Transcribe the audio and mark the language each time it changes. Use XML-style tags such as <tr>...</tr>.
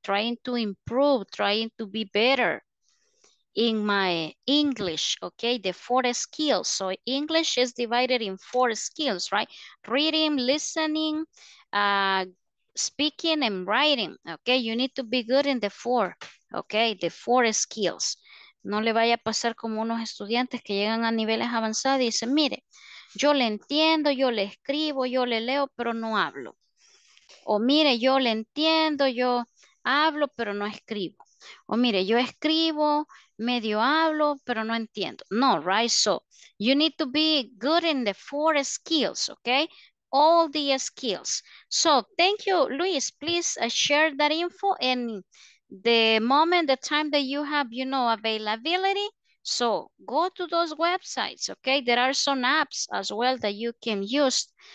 <en>Trying to improve, trying to be better in my English, okay, the 4 skills. So English is divided in 4 skills, right? Reading, listening, speaking, and writing, okay? You need to be good in the 4, okay? The 4 skills.</en> <es>No le vaya a pasar como unos estudiantes que llegan a niveles avanzados y dicen, mire, yo le entiendo, yo le escribo, yo le leo, pero no hablo. O mire, yo le entiendo, yo hablo, pero no escribo. O mire, yo escribo, medio hablo, pero no entiendo. No, right?</es> <en>So, you need to be good in the four skills, okay? All the skills. So, thank you, Luis. Please share that info and the moment, the time that you have, you know, availability. So, go to those websites, okay? There are some apps as well that you can use.</en>